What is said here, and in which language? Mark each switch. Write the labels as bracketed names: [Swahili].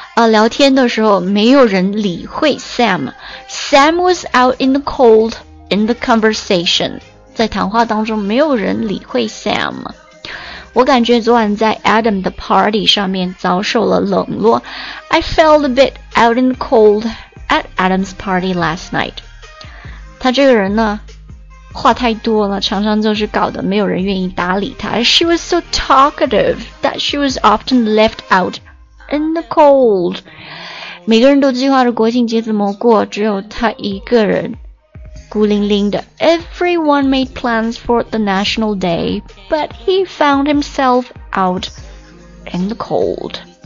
[Chinese] 聊天的时候没有人理会 Sam。 [English] Sam was out in the cold in the conversation， [Chinese] 在谈话当中没有人理会 Sam。我感觉昨晚在 Adam 的 party 上面遭受了冷落。 [English] I felt a bit out in the cold at Adam's party last night。 [Chinese] 他这个人呢话太多了，常常就是搞得没有人愿意搭理他。 [English] She was so talkative that she was often left out in the cold. [Chinese] 每个人都计划着国庆节怎么过，只有他一个人孤零零的。 [English] Everyone made plans for the national day, but he found himself out in the cold.